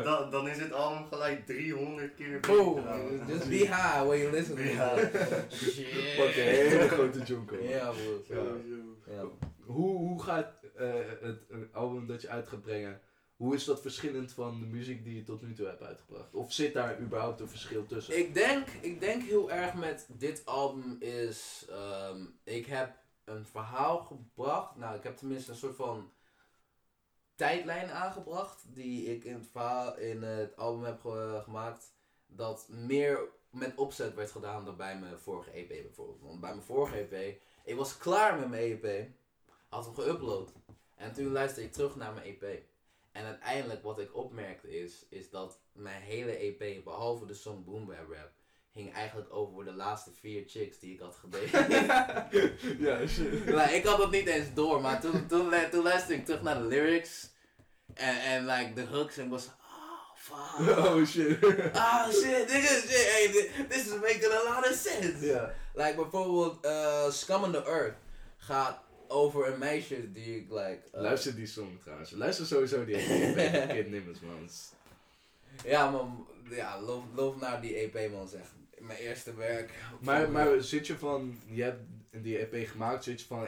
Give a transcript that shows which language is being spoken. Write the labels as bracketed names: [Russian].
[Dutch] Dan is het album gelijk 300 keer beter. [English] Just be high when you listen to it. Shit. [Dutch] Fuck, een hele grote jungle. Ja, bro. Hoe gaat het album dat je uit gaat brengen, hoe is dat verschillend van de muziek die je tot nu toe hebt uitgebracht? Of zit daar überhaupt een verschil tussen? Ik denk heel erg met dit album is... ik heb een verhaal gebracht. Nou, ik heb tenminste een soort van tijdlijn aangebracht. Die ik in het album heb gemaakt. Dat meer met opzet werd gedaan dan bij mijn vorige EP bijvoorbeeld. Want bij mijn vorige EP, ik was klaar met mijn EP. Had hem geüpload. En toen luisterde ik terug naar mijn EP. En uiteindelijk wat ik opmerkte is dat mijn hele EP, behalve de song Boom Bap Rap, hing eigenlijk over de laatste vier chicks die ik had gedaten. Ja, shit. Like, ik had dat niet eens door, maar toen luisterde ik terug naar de lyrics en like de hooks en was, oh fuck. [English] Oh shit. Oh shit, this is making a lot of sense. Yeah. [Dutch] Like bijvoorbeeld Scum on the Earth gaat over een meisje die ik like... Luister die song trouwens. Luister sowieso die EP. Kid Nimbus, man. Ja, man. Ja, loof naar die EP, man. Zeg. Mijn eerste werk. Maar zit je van... Je hebt die EP gemaakt. Zit je van...